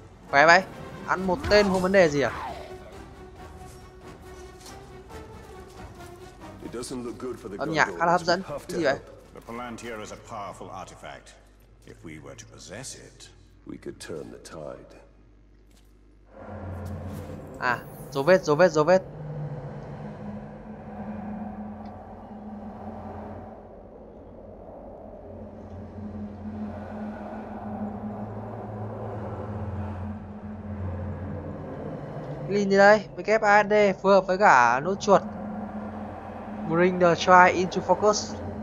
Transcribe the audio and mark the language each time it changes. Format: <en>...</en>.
<vi>Khỏe vậy, ăn một tên không vấn đề gì à? Âm nhạc khá là hấp dẫn, cái gì vậy?</vi> <en>The Palantir is a powerful artifact. If we were to possess it, we could turn the tide.</en> <vi>À, dấu vết. Link gì đây? WASD phù hợp với cả nút chuột.</vi> <en>Bring the try into focus.</en>